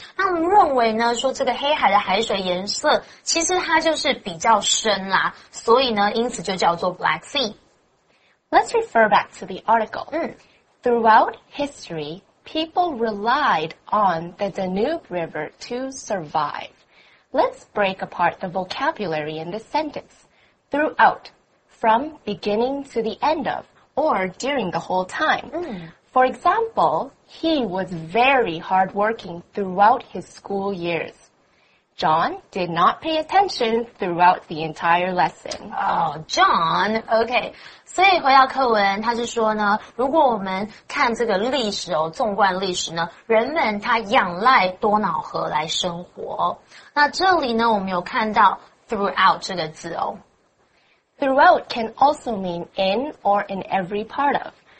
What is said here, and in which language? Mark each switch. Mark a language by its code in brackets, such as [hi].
[zh] 那我们认为呢说这个黑海的海水颜色其实它就是比较深啦，所以呢因此就叫做 Black Sea. [en] Let's refer back to the article. Throughout history, people relied on the Danube River to survive. Let's break apart the vocabulary in this sentence. Throughout, from beginning to the end of, or during the whole time. For example, he was very hardworking throughout his school years. John did not pay attention throughout the entire lesson. Oh, John, okay. [zh] 所以回到课文，他是说呢，如果我们看这个历史哦，纵观历史呢，人们他仰赖多瑙河来生活。那这里呢，我们有看到 throughout 这个字哦。 [en] Throughout can also mean in or in every part of.